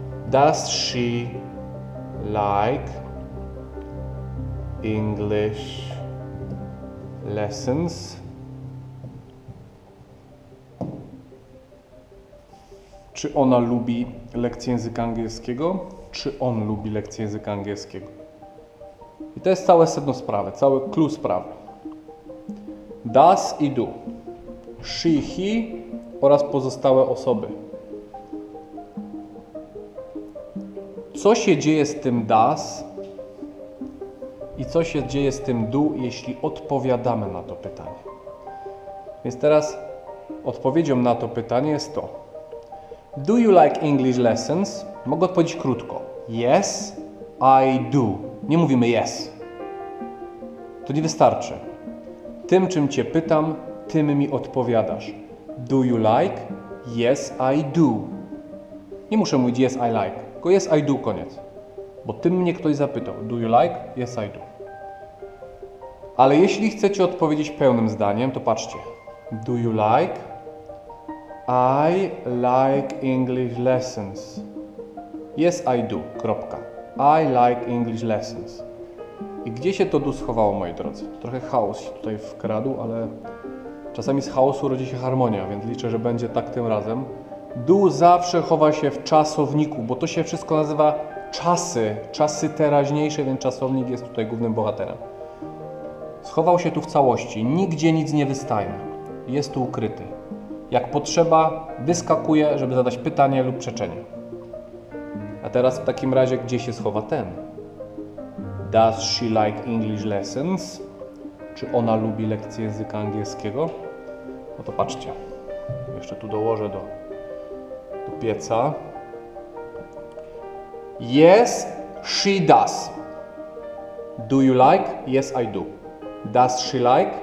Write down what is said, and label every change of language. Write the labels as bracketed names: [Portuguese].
[English] Does she like English lessons? [Polish] Czy ona lubi lekcje języka angielskiego? Czy on lubi lekcje języka angielskiego? I to jest całe sedno sprawy, cały clue sprawy. Does i do. She, he oraz pozostałe osoby. Co się dzieje z tym does i co się dzieje z tym do, jeśli odpowiadamy na to pytanie? Więc teraz odpowiedzią na to pytanie jest to. [English] Do you like English lessons? [Polish] Mogę odpowiedzieć krótko. [English] Yes, I do. [Polish] Nie mówimy yes. To nie wystarczy. Tym, czym cię pytam, tym mi odpowiadasz. [English] Do you like? Yes, I do. [Polish] Nie muszę mówić [English] yes, I like. [Polish] Tylko [English] yes, I do, [Polish] koniec. Bo tym mnie ktoś zapytał. [English] Do you like? Yes, I do. [Polish] Ale jeśli chcecie odpowiedzieć pełnym zdaniem, to patrzcie. [English] Do you like? I like English lessons. Yes, I do. [Polish] Kropka. [English] I like English lessons. [Polish] I gdzie się to tu schowało, moi drodzy? Trochę chaos się tutaj wkradł, ale czasami z chaosu rodzi się harmonia, więc liczę, że będzie tak tym razem. Do zawsze chowa się w czasowniku, bo to się wszystko nazywa czasy. Czasy teraźniejsze, więc czasownik jest tutaj głównym bohaterem. Schował się tu w całości. Nigdzie nic nie wystaje. Jest tu ukryty. Jak potrzeba, wyskakuje, żeby zadać pytanie lub przeczenie. A teraz w takim razie, gdzie się schowa ten? [English] Does she like English lessons? [Polish] Czy ona lubi lekcje języka angielskiego? No to patrzcie. Jeszcze tu dołożę do pieca. [English] Yes, she does. Do you like? Yes, I do. Does she like?